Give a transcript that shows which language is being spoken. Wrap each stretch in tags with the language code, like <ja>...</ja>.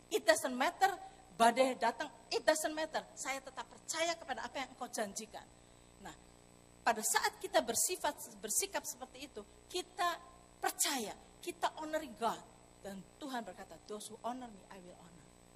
<en>It doesn't matter</en> <id>badai datang.</id> <en>It doesn't matter.</en> <id>Saya tetap percaya kepada apa yang Engkau janjikan. Nah, pada saat kita bersikap seperti itu, kita percaya, kita honoring God. Dan Tuhan berkata,</id> <en>those who honor me, I will honor.</en>